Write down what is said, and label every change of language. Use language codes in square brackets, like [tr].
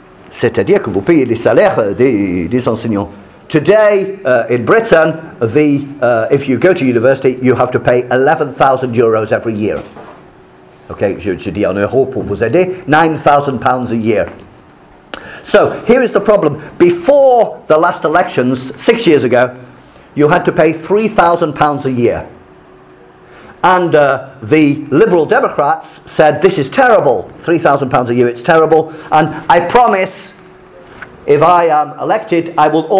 [fr] C'est-à-dire que vous payez les salaires des enseignants. [en] Today, in Britain, if you go to university, you have to pay 11,000 euros every year. [fr] Okay, je te dis en euros pour vous aider, [en] £9,000 a year. So, here is the problem. Before the last elections, 6 years ago, you had to pay £3,000 a year. And the Liberal Democrats said, this is terrible, £3,000 a year, it's terrible, and I promise, if I am elected, I will.